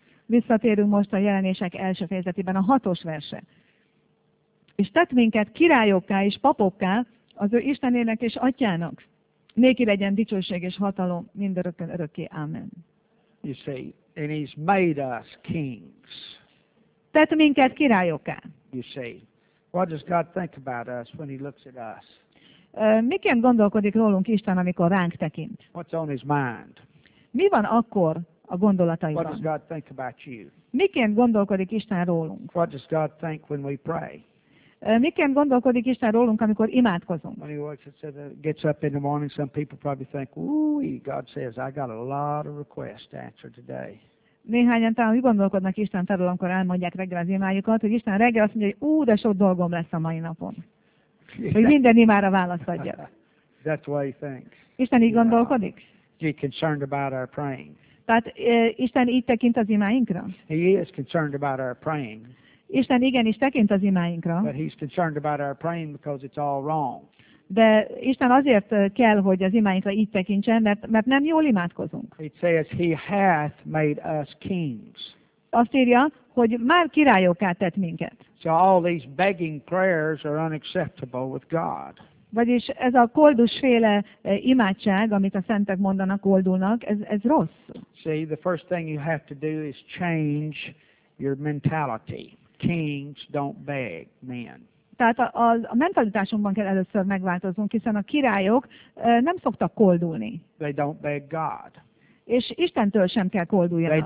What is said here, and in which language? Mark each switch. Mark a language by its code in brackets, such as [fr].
[hu] Visszatérünk most a Jelenések első fejezetében a 6. verse. És tett minket királyokká és papokká az ő Istenének és Atyának. Néki legyen dicsőség és hatalom mindörökkön örökké. Amen. [en] You see, and he's made us kings. [hu] Tett minket királyokká. [en] You see, what does God think about us when he looks at us? [hu] Miként gondolkodik rólunk Isten, amikor ránk tekint? [en] What's on his mind? [hu] Mi van akkor a gondolataiban? [en] What does God think about you? [hu] Miként gondolkodik Isten rólunk? [en] What does God think when we pray? [hu] Miként gondolkodik Isten rólunk, amikor imádkozunk? [en] When he gets up in the morning, some people probably think, "Ooh, God says I got a lot of requests to answer today." [hu] Néhányan talán úgy gondolkodnak Isten felől, amikor elmondják reggel az imájukat, hogy Isten reggel azt mondja, hogy "Ú, de sok dolgom lesz a mai napon." Hogy minden imára választ adja. [en] That's why he thinks. [hu] Isten így gondolkodik? [en] He's concerned about our praying. [hu] Tehát Isten így tekint az imáinkra? [en] He is concerned about our praying. [hu] Isten igenis tekint az imáinkra. [en] But he's concerned about our praying because it's all wrong. [hu] De Isten azért kell, hogy az imáinkra így tekintsen, mert nem jól imádkozunk. [en] It says he hath made us kings. [hu] Azt írja, hogy már királyokká tett minket. [en] So all these begging prayers are unacceptable with God. [hu] Vagyis ez a koldusféle imádság, amit a szentek mondanak, koldulnak, ez rossz. [en] See, the first thing you have to do is change your mentality. Kings don't beg men. [hu] Tehát a mentalitásunkban kell először megváltozunk, hiszen a királyok nem szoktak koldulni. [en] They don't beg God. [hu] És Istentől sem kell kolduljanak.